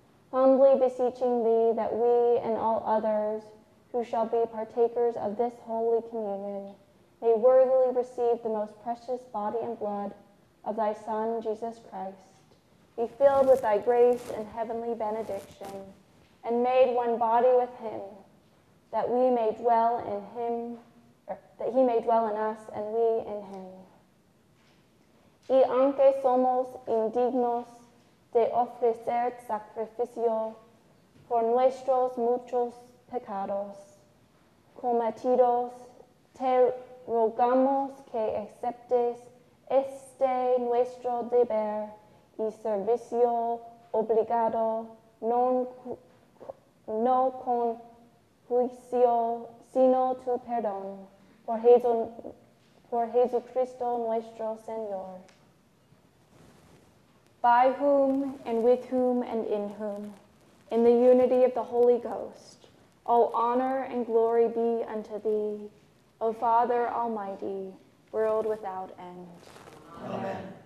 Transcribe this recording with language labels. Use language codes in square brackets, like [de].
[en] humbly beseeching thee that we and all others who shall be partakers of this holy communion may worthily receive the most precious body and blood of thy Son, Jesus Christ, be filled with thy grace and heavenly benediction, and made one body with him, that we may dwell in him, or that he may dwell in us, and we in him. [es] Y aunque somos indignos de ofrecer sacrificio por nuestros muchos pecados cometidos, te rogamos que aceptes este nuestro deber y servicio obligado, no con juicio, sino tu perdón, por Jesucristo nuestro Señor. [en] By whom, and with whom, and in whom, in the unity of the Holy Ghost, all honor and glory be unto thee, O Father Almighty, world without end. Amen.